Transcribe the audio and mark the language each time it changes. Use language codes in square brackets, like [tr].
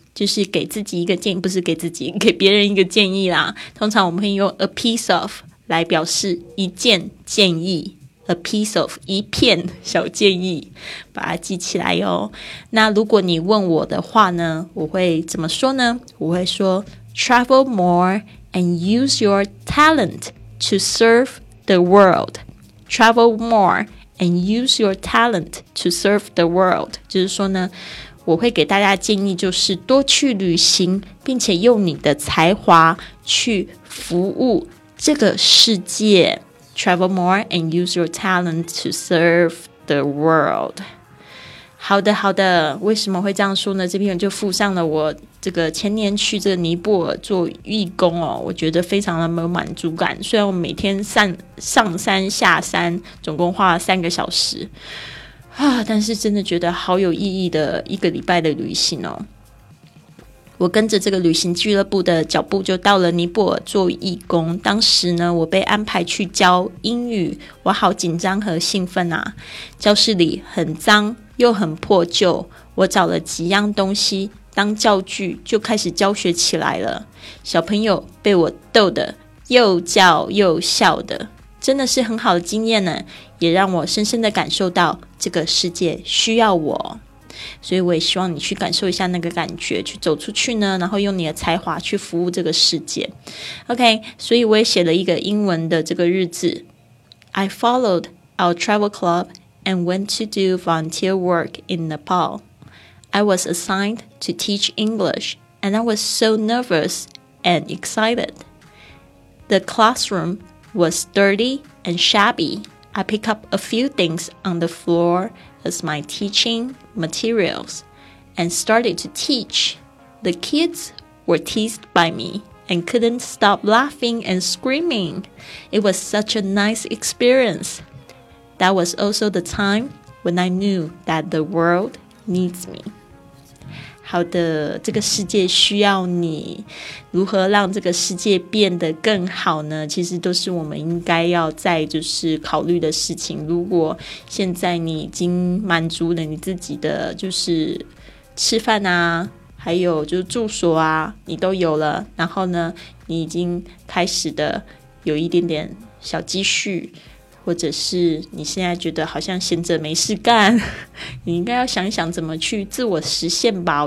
[zh] 就是给自己一个建议，不是给自己，给别人一个建议啦。通常我们会用 [en] a piece of [zh] 来表示一件建议， a piece of 一片小建议，把它记起来哟。那如果你问我的话呢，我会怎么说呢？我会说 [en] travel more and use your talent to serve the world. Travel more and use your talent to serve the world. [zh] 就是说呢，我会给大家建议就是多去旅行，并且用你的才华去服务这个世界。 Travel more and use your talent to serve the world. 好的好的，为什么会这样说呢？这篇就附上了我这个前年去这个尼泊尔做义工哦，我觉得非常的没有满足感，虽然我每天 上山下山总共花了三个小时啊，但是真的觉得好有意义的一个礼拜的旅行哦。我跟着这个旅行俱乐部的脚步就到了尼泊尔做义工，当时呢我被安排去教英语，我好紧张和兴奋啊。教室里很脏又很破旧，我找了几样东西当教具就开始教学起来了，小朋友被我逗得又叫又笑的，真的是很好的经验呢，也让我深深的感受到这个世界需要我，所以我也希望你去感受一下那个感觉，去走出去呢，然后用你的才华去服务这个世界。 [en] OK， [zh] 所以我也写了一个英文的这个日志， [en] I followed our travel club and went to do volunteer work in Nepal. I was assigned to teach English and I was so nervous and excited. The classroom was dirty and shabbyI pick up a few things on the floor as my teaching materials and started to teach. The kids were teased by me and couldn't stop laughing and screaming. It was such a nice experience. That was also the time when I knew that the world needs me. [zh] 好的，这个世界需要你，如何让这个世界变得更好呢？其实都是我们应该要在就是考虑的事情。如果现在你已经满足了你自己的就是吃饭啊，还有就是住所啊，你都有了，然后呢，你已经开始的有一点点小积蓄，或者是你现在觉得好像闲着没事干，你应该要想想怎么去自我实现吧。